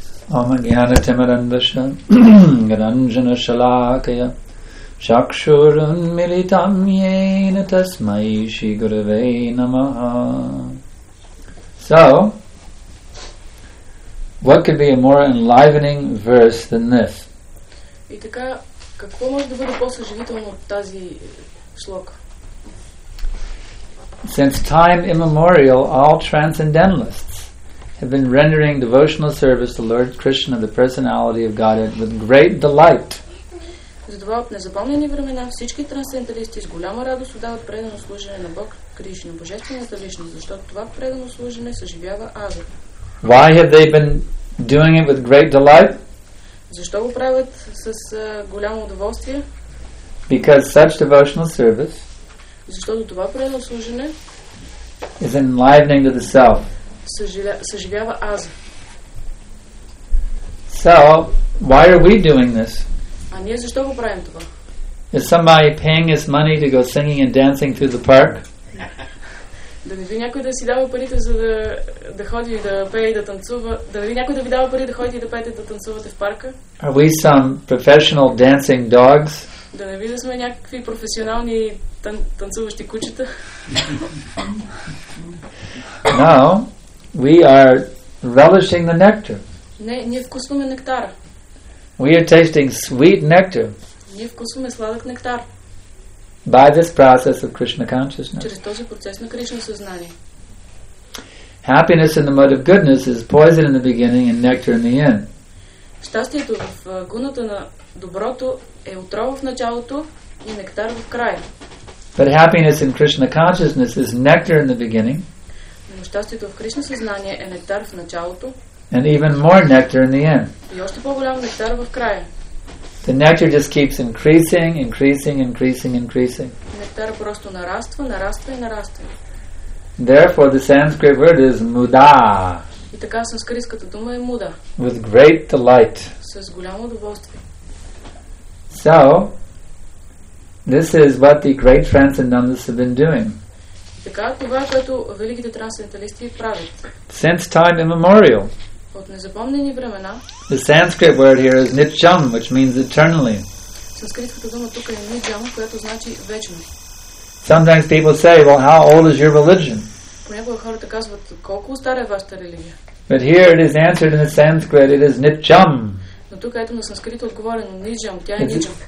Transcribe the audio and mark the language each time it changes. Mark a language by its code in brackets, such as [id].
[sa] Ом гьяна тимарандаша гранжана шалакая шакшурун милитам йена тасмай ши гуруве намаха. [en] So, what could be a more enlivening verse than this? [bg] И така, какво може да бъде по-съживително от тази шлока? [en] Since time immemorial, all transcendentalists have been rendering devotional service to Lord Krishna, the personality of Godhead, with great delight. [bg] Затова от незапомнени времена всички трансценденталисти с голяма радост отдават предано служение на Бог Кришна, божествената личност, защото това предано служене съживява Ажна. [en] Why have they been doing it with great delight? [bg] Защо го правят с голямо удоволствие? [en] Because such devotional service, [bg] защото това предано служене, [en] is enlivening to the self. [bg] Съживява Ажна. [en] So, why are we doing this? [bg] А ние защо го правим това? [en] Is somebody paying us money to go singing and dancing through the park? [bg] Да не ви някой да си дава парите, за да ходи да пее и да танцува. Да не ви някой да ви дава пари да ходите да пеете и да танцувате в парка? [en] Are we some professional dancing dogs? [bg] Да не ви да сме някакви професионални танцуващи кучета? [en] No, we are relishing the nectar. [bg] Не, ние вкусваме нектара. [en] We are tasting sweet nectar. [bg] Ние вкусваме сладък нектар. [en] By this process of Krishna consciousness. [bg] Чрез този процес на Кришна съзнание. [en] Happiness in the mode of goodness is poison in the beginning and nectar in the end. [bg] Щастието в гуната на доброто е отрова в началото и нектар в края. [en] But happiness in Krishna consciousness is nectar in the beginning. [bg] Но щастието в Кришна съзнание е нектар в началото. [en] And even more nectar in the end. [bg] И още по-голям нектар в края. [en] The nectar just keeps increasing, increasing, increasing, increasing. [bg] Нектар просто нараства, нараства и нараства. [en] Therefore, the Sanskrit word is muda. [bg] И така санскритската дума е муда. [en] With great delight. [bg] С голямо удоволствие. [en] So, this is what the great transcendentalists have been doing. [bg] Така това, което великите трансценденталисти правят. [en] Since time immemorial. [bg] От незапомнени времена. [en] The Sanskrit word here is nityam, which means eternally. [bg] Санскритската дума тук е nityam, която значи вечно. [en] Sometimes people say, well, how old is your religion? [bg] Понякога хората казват, колко стара е вашата религия? [en] But here it is answered in the Sanskrit, it is nityam. [bg] Но тук ето на санскрит отговорено nityam, тя е nityam.